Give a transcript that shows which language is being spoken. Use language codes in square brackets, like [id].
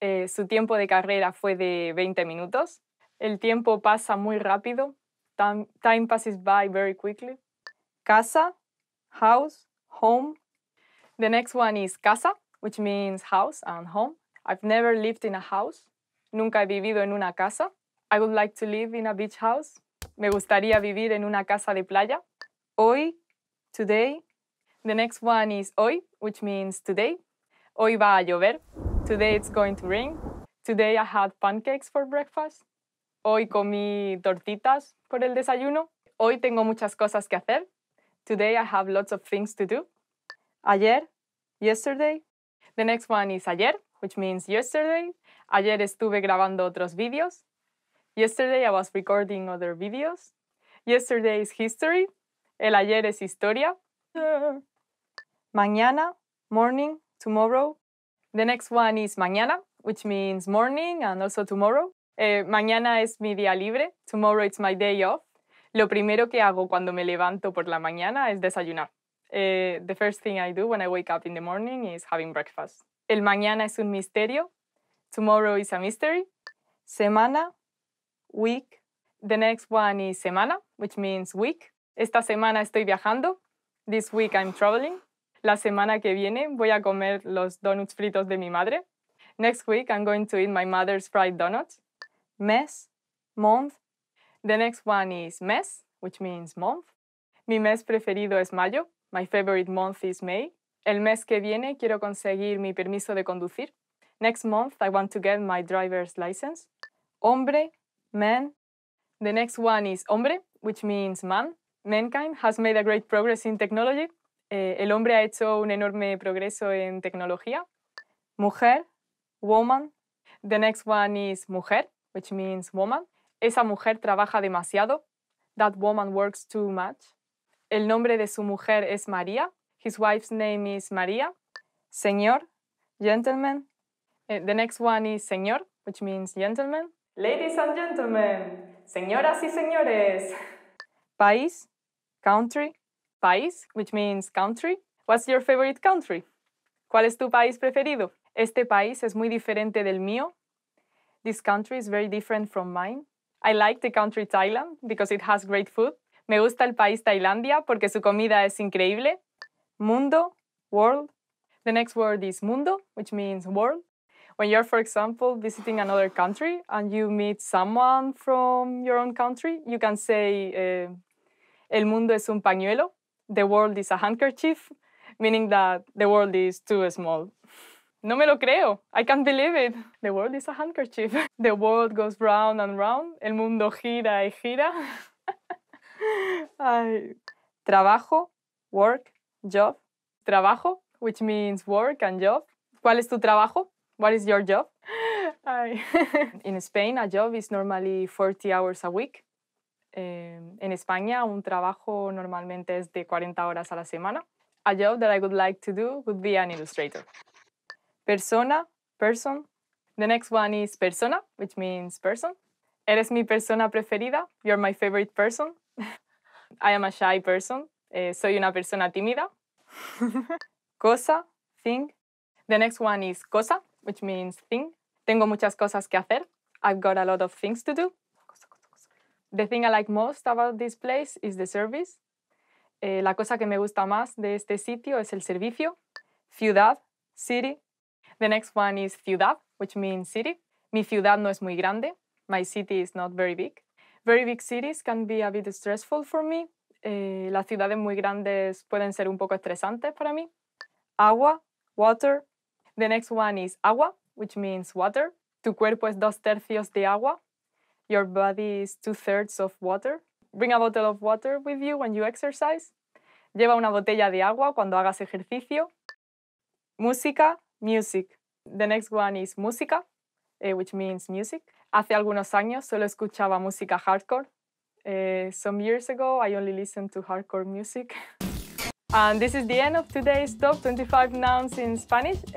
[es] Su tiempo de carrera fue de 20 minutos. El tiempo pasa muy rápido. [en] Time passes by very quickly. Casa, house, home. The next one is casa, which means house and home. I've never lived in a house. [es] Nunca he vivido en una casa. [en] I would like to live in a beach house. [es] Me gustaría vivir en una casa de playa. [en] Hoy, today. The next one is hoy, which means today. [es] Hoy va a llover. [en] Today it's going to rain. Today I had pancakes for breakfast. [es] Hoy comí tortitas por el desayuno. Hoy tengo muchas cosas que hacer. [en] Today I have lots of things to do. Ayer, yesterday. The next one is ayer, which means yesterday. [es] Ayer estuve grabando otros vídeos. [en] Yesterday I was recording other videos. Yesterday is history. [es] El ayer es historia. [en] Mañana, morning, tomorrow. The next one is mañana, which means morning and also tomorrow. [es] Mañana es mi día libre. [en] Tomorrow it's my day off. [es] Lo primero que hago cuando me levanto por la mañana es desayunar. [en] The first thing I do when I wake up in the morning is having breakfast. [es] El mañana es un misterio. [en] Tomorrow is a mystery. Semana, week. The next one is semana, which means week. [es] Esta semana estoy viajando. [en] This week I'm traveling. [es] La semana que viene voy a comer los donuts fritos de mi madre. [en] Next week I'm going to eat my mother's fried donuts. Mes, month. The next one is mes, which means month. [es] Mi mes preferido es mayo. [en] My favorite month is May. [es] El mes que viene quiero conseguir mi permiso de conducir. [en] Next month I want to get my driver's license. Hombre, man. The next one is hombre, which means man. Mankind has made a great progress in technology. [es] El hombre ha hecho un enorme progreso en tecnología. [en] Mujer, woman. The next one is mujer, which means woman. [es] Esa mujer trabaja demasiado. [en] That woman works too much. [es] El nombre de su mujer es María. [en] His wife's name is María. Señor, gentleman. The next one is señor, which means gentleman. Ladies and gentlemen, [es] señoras y señores. [en] País, country. País, which means country. What's your favorite country? [es] ¿Cuál es tu país preferido? Este país es muy diferente del mío. [en] This country is very different from mine. I like the country Thailand because it has great food. [es] Me gusta el país Tailandia porque su comida es increíble. [en] Mundo, world. The next word is mundo, which means world. When you're, for example, visiting another country and you meet someone from your own country, you can say, [es] el mundo es un pañuelo. [en] The world is a handkerchief, meaning that the world is too small. [es] No me lo creo. [en] I can't believe it. The world is a handkerchief. The world goes round and round. [es] El mundo gira y gira. [en] Ay. Trabajo, work, job. Trabajo, which means work and job. [es] ¿Cuál es tu trabajo? [en] What is your job? Ay. In Spain, a job is normally 40 hours a week. [es] En España, un trabajo normalmente es de 40 horas a la semana. [en] A job that I would like to do would be an illustrator. Persona, person. The next one is persona, which means person. [es] Eres mi persona preferida. [en] You're my favorite person. I am a shy person. [es] Soy una persona tímida. [en] Cosa, thing. The next one is cosa, which means thing. [es] Tengo muchas cosas que hacer. [en] I've got a lot of things to do. The thing I like most about this place is the service. [es] La cosa que me gusta más de este sitio es el servicio. [en] Ciudad, city. The next one is ciudad, which means city. [es] Mi ciudad no es muy grande. [en] My city is not very big. Very big cities can be a bit stressful for me. [es] Las ciudades muy grandes pueden ser un poco estresantes para mí. [en] Agua, water. The next one is agua, which means water. [es] Tu cuerpo es dos tercios de agua. [en] Your body is two-thirds of water. Bring a bottle of water with you when you exercise. [es] Lleva una botella de agua cuando hagas ejercicio. [en] Música, music. The next one is música, which means music. [es] Hace algunos años solo escuchaba música hardcore. [en] Some years ago, I only listened to hardcore music. And this is the end of today's top 25 nouns in Spanish.